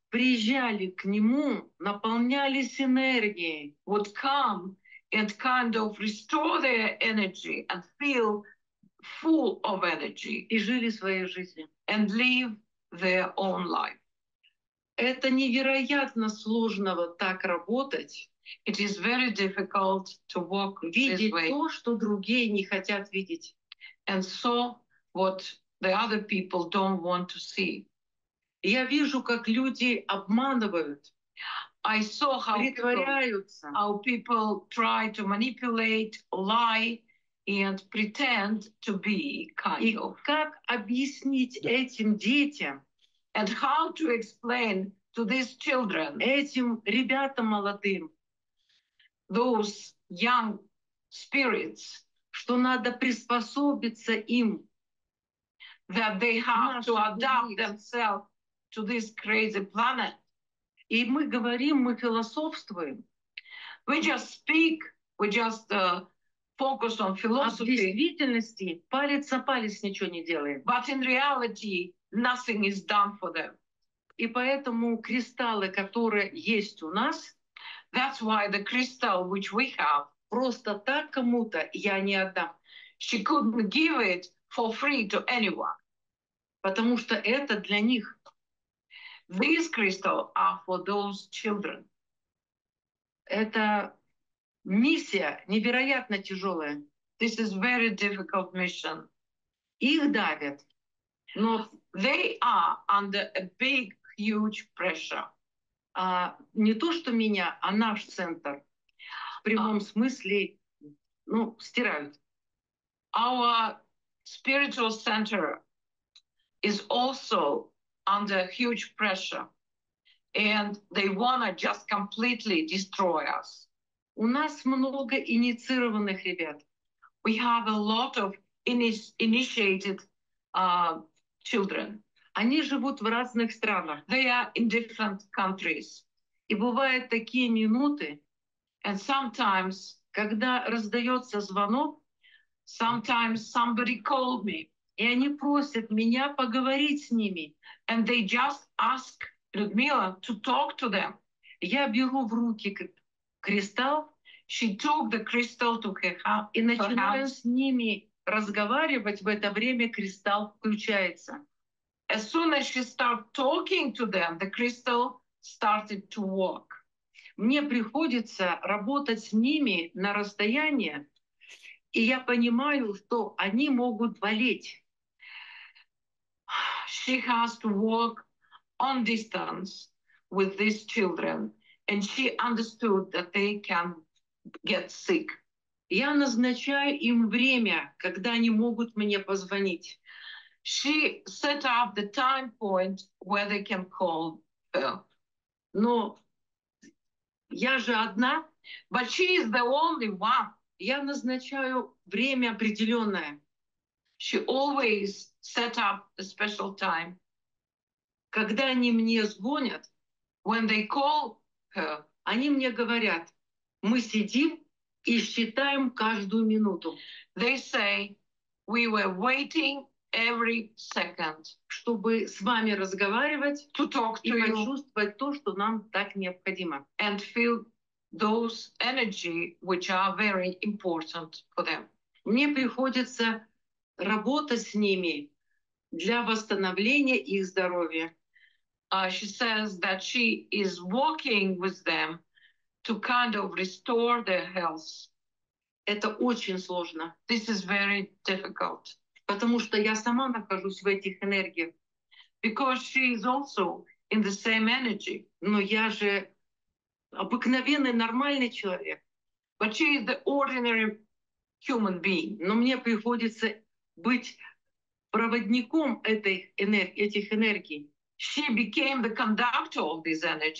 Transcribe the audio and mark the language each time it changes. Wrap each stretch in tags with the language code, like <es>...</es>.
<ru>приезжали к нему, наполнялись энергией.</ru> <en>Would come and kind of restore their energy and feel full of energy.</en> <ru>И жили своей жизнью.</ru> <en>And live their own life.</en> <ru>Это невероятно сложно вот так работать.</ru> <en>It is very difficult to walk</en> <ru>видеть</ru> <en>this way.</en> <ru>То, что другие не хотят видеть.</ru> <en>And so what the other people don't want to see.</en> <ru>Я вижу, как люди обманывают.</ru> <en>I saw how</en> <ru>притворяются.</ru> <en>People, how people try to manipulate, lie and pretend to be kind</en> <ru>И</ru> <en>of.</en> <ru>Как объяснить этим детям?</ru> <en>And how to explain to these children?</en> <ru>Этим ребятам молодым.</ru> <en>Those young spirits,</en> <ru>что надо приспособиться им,</ru> <en>that they have to adapt themselves to this crazy planet.</en> <ru>И мы говорим, мы философствуем.</ru> <en>We just speak, we just focus on philosophy.</en> <ru>А в действительности палец на палец ничего не делаем.</ru> <en>But in reality, nothing is done for them.</en> <ru>И поэтому кристаллы, которые есть у нас,</ru> <en>that's why the crystal which we have,</en> <ru>просто так кому-то я не отдам.</ru> <en>She couldn't give it for free to anyone.</en> <ru>Потому что это для них.</ru> <en>These crystals are for those children.</en> <ru>Это миссия невероятно тяжелая.</ru> <en>This is very difficult mission.</en> <ru>Их давят. Но</ru> <en>they are under a big, huge pressure.</en> <ru>Не то, что меня, а наш центр в прямом смысле, ну, стирают.</ru> <en>Our spiritual center is also under huge pressure, and they wanna just completely destroy us.</en> <ru>У нас много инициированных ребят.</ru> <en>We have a lot of initiated children.</en> <ru>Они живут в разных странах.</ru> <en>They are in different countries.</en> <ru>И бывают такие минуты,</ru> <en>and sometimes,</en> <ru>когда раздается звонок,</ru> <en>sometimes somebody called me,</en> <ru>и они просят меня поговорить с ними,</ru> <en>and they just ask Ludmila to talk to them.</en> <ru>Я беру в руки кристалл,</ru> <en>she took the crystal to her hand,</en> <ru>и начинаю с ними разговаривать. В это время кристалл включается.</ru> <en>As soon as she started talking to them, the crystal started to work.</en> <ru>Мне приходится работать с ними на расстоянии, и я понимаю, что они могут болеть.</ru> <en>She has to work on distance with these children, and she understood that they can get sick.</en> <ru>Я назначаю им время, когда они могут мне позвонить.</ru> <en>She set up the time point where they can call her.</en> <ru>Но я же одна.</ru> <en>But she is the only one.</en> <ru>Я назначаю время определенное.</ru> <en>She always set up a special time.</en> <ru>Когда они мне звонят,</ru> <en>when they call her,</en> <ru>они мне говорят, мы сидим и считаем каждую минуту.</ru> <en>They say, we were waiting every second,</en> <ru>чтобы с вами разговаривать,</ru> <en>to talk to</en> <ru>и почувствовать</ru> <en>you,</en> <ru>то, что нам так необходимо.</ru> <en>And feel those energy, which are very important for them.</en> <ru>Мне приходится работать с ними для восстановления их здоровья.</ru> <en>She says that she is working with them to kind of restore their health.</en> <ru>Это очень сложно.</ru> <en>This is very difficult.</en> <ru>Потому что я сама нахожусь в этих энергиях.</ru> <en>Because she is also in the same energy.</en> <ru>Но я же обыкновенный нормальный человек.</ru> <en>But she is the ordinary human being.</en> <ru>Но мне приходится быть проводником этих энергий.</ru> <en>She became the conductor of these energies.</en>